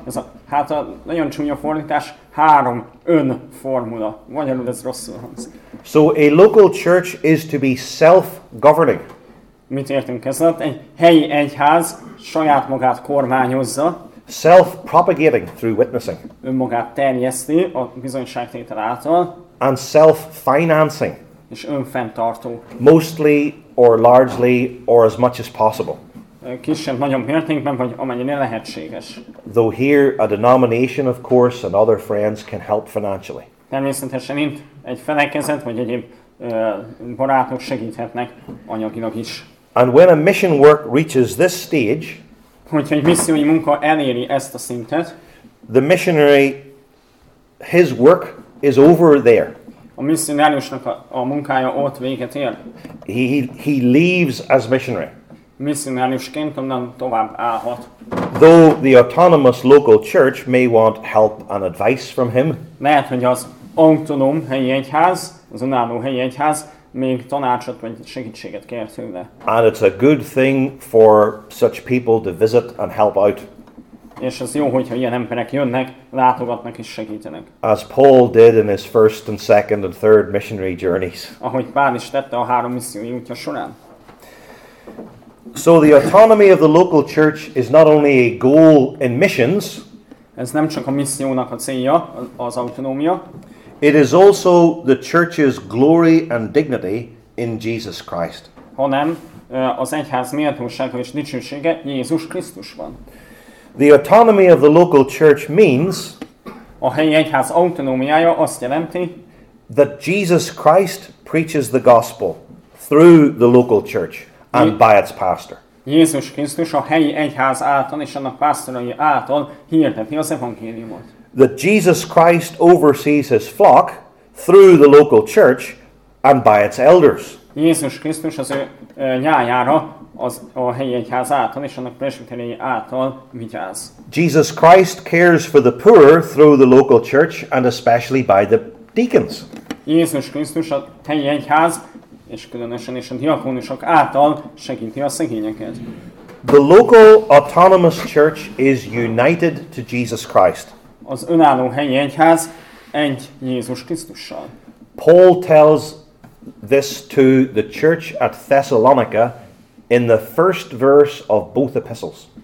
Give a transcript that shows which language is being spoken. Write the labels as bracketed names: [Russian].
[Hungarian] Ez a, hát a nagyon csúnya fordítás, három ön formula. Magyarul ez rosszul hangzik. [English] So a local church is to be self-governing. [Hungarian] Mit értünk ezzel? Egy helyi egyház saját magát kormányozza. [English] Self-propagating through witnessing. [Hungarian] Önmagát terjeszti a bizonyságtétel által. [English] And self-financing. [Hungarian] És önfenntartó. [English] Mostly or largely or as much as possible. [Hungarian] Kisebb, nagyobb mértékben, vagy amennyire lehetséges. [English] Though here a denomination, of course, and other friends can help financially. [Hungarian] Természetesen itt egy felekezet, vagy egyéb barátok segíthetnek anyagilag is. [English] And when a mission work reaches this stage, [Hungarian] hogyha egy missziói munka eléri ezt a szintet, [English] the missionary, his work is over there. [Hungarian] A missionáriusnak a munkája ott véget ér. [English] He leaves as missionary. [Hungarian] Missionáriusként onnan tovább állhat. [English] Though the autonomous local church may want help and advice from him. [Hungarian] Lehet, hogy az autonóm helyi egyház, az önálló helyi egyház még tanácsot vagy segítséget kér tőle. [English] And it's a good thing for such people to visit and help out. [Hungarian] És az jó, hogyha ilyen emberek jönnek, látogatnak és segítenek. [English] As Paul did in his first and second and third missionary journeys. [Hungarian] Ahogy Pál is tette a három missziói útja során. [English] So the autonomy of the local church is not only a goal in missions. [Hungarian] Ez nem csak a missziónak a célja, az autonómia. [English] It is also the church's glory and dignity in Jesus Christ. [Hungarian] Hanem az egyház méltósága és dicsősége Jézus Krisztusban. [English] The autonomy of the local church means [Hungarian] a helyi egyház autonómiája azt jelenti, [English] that Jesus Christ preaches the gospel through the local church and by its pastor. [Hungarian] Jézus Krisztus a helyi egyház által és annak pásztorai által hirdeti az evangéliumot. [English] That Jesus Christ oversees his flock through the local church and by its elders. [Hungarian] Jézus Krisztus az ő nyájára az a helyi egyház által és annak presbiterei által vigyáz. [English] Jesus Christ cares for the poor through the local church and especially by the deacons. [Hungarian] Jézus Krisztus a helyi egyház és különösen is a diakónusok által segíti a szegényeket. [English] The local autonomous church is united to Jesus Christ. [Hungarian] Az önálló helyi egyház egy Jézus Krisztussal. [English] Paul tells this to the church at Thessalonica in the first verse of both epistles.